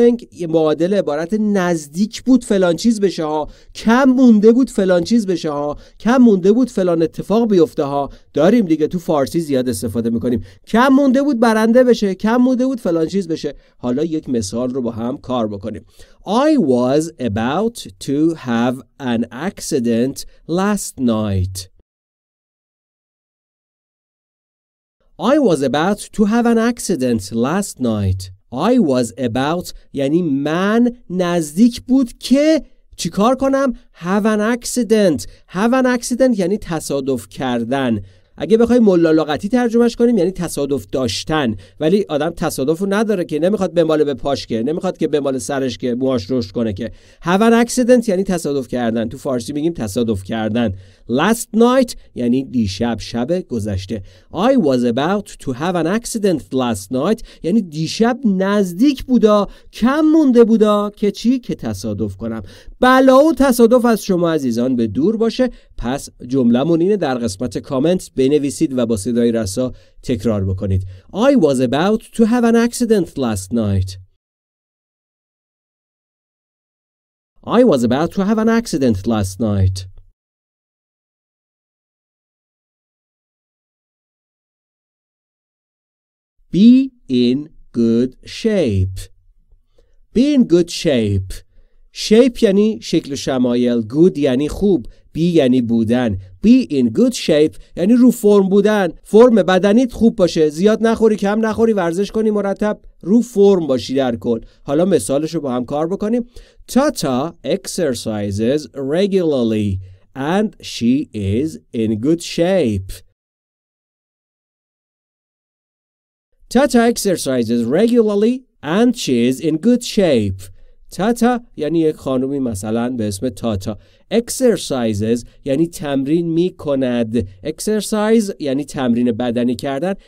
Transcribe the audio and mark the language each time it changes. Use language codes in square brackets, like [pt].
[fa] یه معادل عبارت نزدیک بود فلان چیز بشه ها، کم مونده بود فلان چیز بشه ها، کم مونده بود فلان اتفاق بیفته ها. داریم دیگه، تو فارسی زیاد استفاده میکنیم. کم مونده بود برنده بشه، کم مونده بود فلان چیز بشه. حالا یک مثال رو با هم کار بکنیم. [en] I was about to have an accident last night. I was about to have an accident last night. I was about [fa] یعنی من نزدیک بود که چیکار کنم؟ [en] Have an accident. Have an accident [fa] یعنی تصادف کردن. اگه بخوای ملا لغتی ترجمهش کنیم یعنی تصادف داشتن، ولی آدم تصادفو نداره که، نمیخواد بماله به پاش که، نمیخواد که بماله سرش که موهاش رشد کنه که. [en] Have an accident [fa] یعنی تصادف کردن، تو فارسی میگیم تصادف کردن. [en] Last night [fa] یعنی دیشب، شب گذشته. [en] I was about to have an accident last night [fa] یعنی دیشب نزدیک بودا، کم مونده بودا که چی؟ که تصادف کنم. بلا و تصادف از شما عزیزان به دور باشه. پس جملمون اینه، در قسمت کامنت بنویسید و با صدای رسا تکرار بکنید. [en] I was about to have an accident last night. I was about to have an accident last night. Be in good shape. [fa] Shape یعنی شکل و شمایل، good یعنی خوب، be یعنی بودن. [en] Be in good shape [fa] یعنی رو فرم بودن، فرم بدنیت خوب باشه، زیاد نخوری، کم نخوری، ورزش کنی، مرتب رو فرم باشی در کل. حالا مثالشو با هم کار بکنیم. [en] Tata exercises regularly and she is in good shape. Tata exercises regularly and she is in good shape. [fa] تاتا یعنی یک خانومی مثلا به اسم تاتا. exercises یعنی تمرین می کند. exercise یعنی تمرین بدنی کردن.